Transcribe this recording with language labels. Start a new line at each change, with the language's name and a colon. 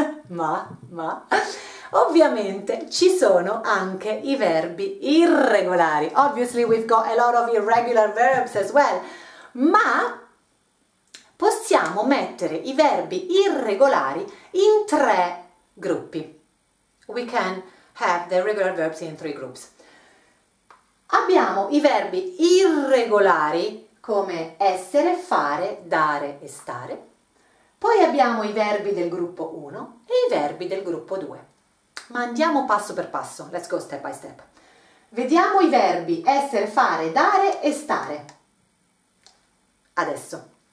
Italian: Ma, ovviamente ci sono anche i verbi irregolari.
English: Obviously we've got a lot of irregular verbs as well.
Italian: Ma possiamo mettere i verbi irregolari in tre gruppi.
English: We can have the irregular verbs in three groups.
Italian: Abbiamo i verbi irregolari come essere, fare, dare e stare. Poi abbiamo i verbi del gruppo 1 e i verbi del gruppo 2. Ma andiamo passo per passo,
English: let's go step by step.
Italian: Vediamo i verbi essere, fare, dare e stare. Adesso.